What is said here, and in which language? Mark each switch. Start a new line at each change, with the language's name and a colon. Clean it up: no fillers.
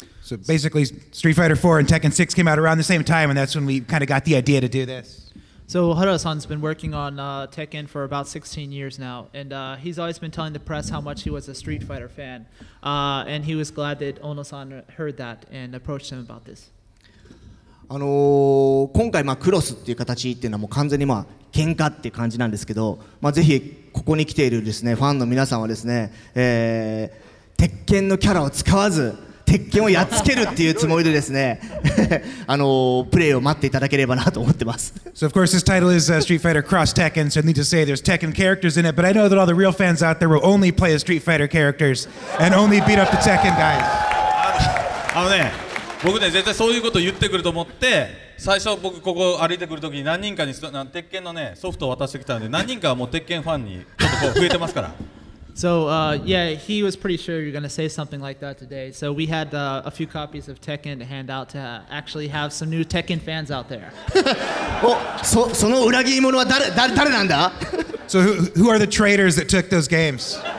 English: So basically Street Fighter 4 and Tekken 6 came out around the same time, and that's when we kind of got the idea to do this. So Hara-san's been working on Tekken for about 16 years now, and he's always been telling the press how much he was a Street Fighter fan. And he was glad that Ono-san heard that and approached him about this.
Japanese: 今回、まあ、クロスっていう形っていうのはもう完全に、まあ、喧嘩っていう感じなんですけど、まあ、ぜひここに来ているですね、ファンの皆さんはですね、鉄拳のキャラを使わず鉄拳をやっつけるっていうつもりでですね、プレイを待っていただければなと思ってます。
English: So of course this title is Street Fighter Cross Tekken, so I need to say there's Tekken characters in it, but I know that all the real fans out there will only play as Street Fighter characters and only beat up the Tekken guys.
Japanese: あのね、僕ね絶対そういうこと言ってくると思って、最初僕ここ歩いてくるときに何人かに鉄拳のねソフトを渡してきたんで、何人かはもう鉄拳ファンにちょっとこう増えてますから。
English: So, yeah, he was pretty sure you're going to say something like that today. So we had a few copies of Tekken to hand out to actually have some new Tekken fans out there. So who are the traitors that took those games?